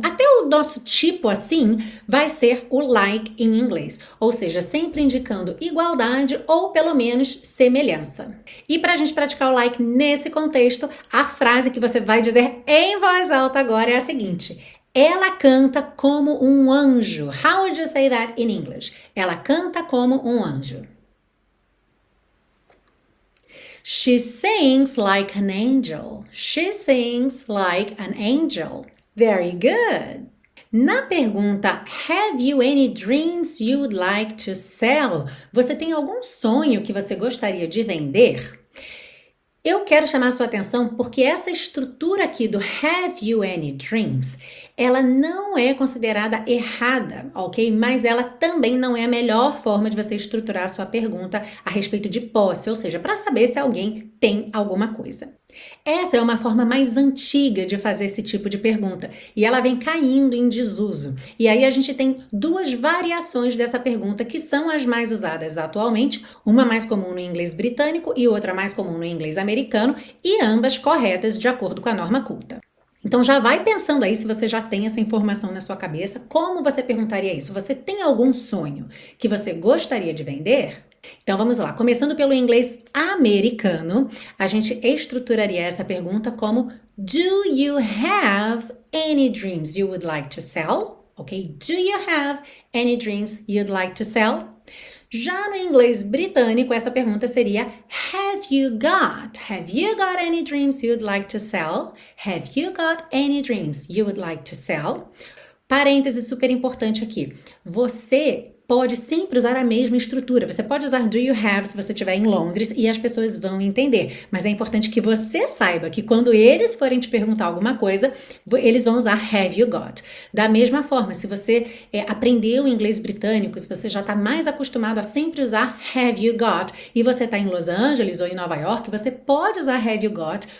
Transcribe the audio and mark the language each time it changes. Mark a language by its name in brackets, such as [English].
[Portuguese] Até o nosso tipo assim vai ser o like em inglês. Ou seja, sempre indicando igualdade ou pelo menos semelhança. E para a gente praticar o like nesse contexto, a frase que você vai dizer em voz alta agora é a seguinte. Ela canta como um anjo. How would you say that in English? Ela canta como um anjo. [English] She sings like an angel. She sings like an angel. Very good. [Portuguese] Na pergunta, [English] have you any dreams you'd like to sell? [Portuguese] Você tem algum sonho que você gostaria de vender? Eu quero chamar sua atenção porque essa estrutura aqui do [English] Have you any dreams? [Portuguese] Ela não é considerada errada, ok? Mas ela também não é a melhor forma de você estruturar a sua pergunta a respeito de posse, ou seja, para saber se alguém tem alguma coisa. Essa é uma forma mais antiga de fazer esse tipo de pergunta e ela vem caindo em desuso. E aí a gente tem duas variações dessa pergunta que são as mais usadas atualmente, uma mais comum no inglês britânico e outra mais comum no inglês americano, e ambas corretas de acordo com a norma culta. Então já vai pensando aí se você já tem essa informação na sua cabeça, como você perguntaria isso? Você tem algum sonho que você gostaria de vender? Então vamos lá, começando pelo inglês americano, a gente estruturaria essa pergunta como [English] Do you have any dreams you would like to sell? [Portuguese] Ok? [English] Do you have any dreams you'd like to sell? [Portuguese] Já no inglês britânico, essa pergunta seria [English] Have you got any dreams you'd like to sell? Have you got any dreams you would like to sell? [Portuguese] Parênteses super importante aqui. Você pode sempre usar a mesma estrutura. Você pode usar [English] do you have [Portuguese] se você estiver em Londres e as pessoas vão entender. Mas é importante que você saiba que quando eles forem te perguntar alguma coisa, eles vão usar [English] have you got. [Portuguese] Da mesma forma, se você aprendeu inglês britânico, se você já está mais acostumado a sempre usar [English] have you got [Portuguese] e você está em Los Angeles ou em Nova York, você pode usar have you got.